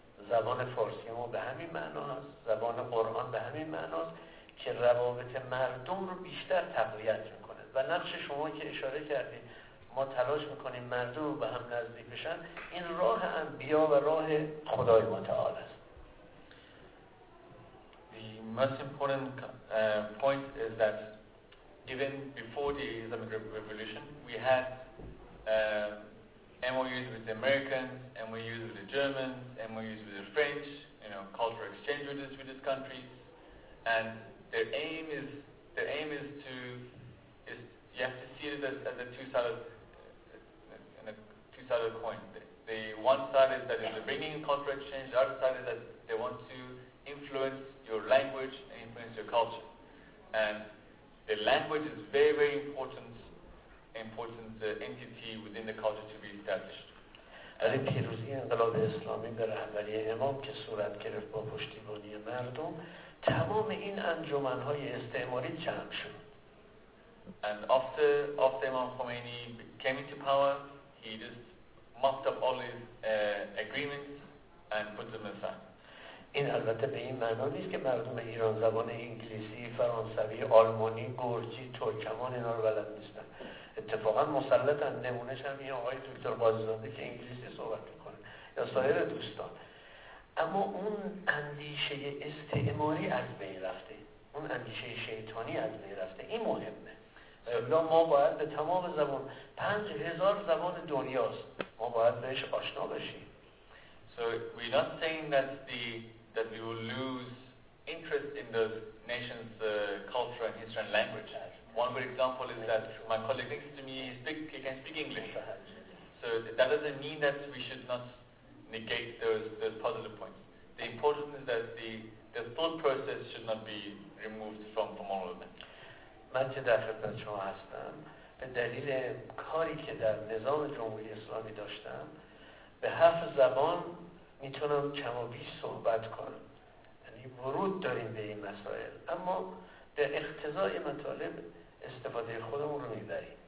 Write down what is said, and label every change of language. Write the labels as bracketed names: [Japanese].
[Persian] زبان فارسی ما به همین معنا هست، زبان قرآن به همین معنا هست که روابط مردم رو بیشتر تقویت میکنه. و نقش شما که اشاره کردید، ما تلاش میکنیم مردم رو به هم نزدیک بشن، این راه انبیا و راه خدای متعال است. [English] The most important point is that even before the Islamic Revolution, we had MOUs with the Americans, MOUs with the Germans, MOUs with the French, you know, cultural exchange with these countries, and their aim is you have to see it as a two-sided coin. The one side is that they're bringing in cultural exchange, the other side is that they want to influence your language and influence your culture. And the language is very, very important entity within the culture to be established. [Persian] ولی پیروزی انقلاب اسلامی به رهبری امام که صورت گرفت با پشتیبانی مردم، تمام این انجمن‌های استعماری جمع شد. [English] And after Imam Khomeini came into power, he just mopped up all his agreements and put them aside. [Persian] این البته به این معنا نیست که مردم ایران زبان انگلیسی، فرانسوی، آلمانی، گرجی، ترکمن اینا رو بلد نیستن. اتفاقا مسلطن. نمونش هم این آقای دکتر قاضی‌زاده که انگلیسی صحبت میکنه یا سایر دوستان. اما اون اندیشه استعماری از بین رفته، اون اندیشه شیطانی از بین رفته. این مهمه. اولا ما باید به تمام زبان، 5000 زبان دنیاست، ما باید بهش آشنا بشیم. [English] So we're not saying that that we will lose interest in the nation's culture and history and language. One good example is that my colleague next to me, he can speak English. So that doesn't mean that we should not negate those positive points. The important is that the thought process should not be removed from all of them. [Persian] من چه در خدمت شما هستم به دلیل کاری که در نظام جمهوری اسلامی داشتم به 7 زبان میتونم کم و بیش صحبت کنم، یعنی ورود داریم به این مسائل، اما به اقتضای مطالب استفاده خودمون رو میبریم.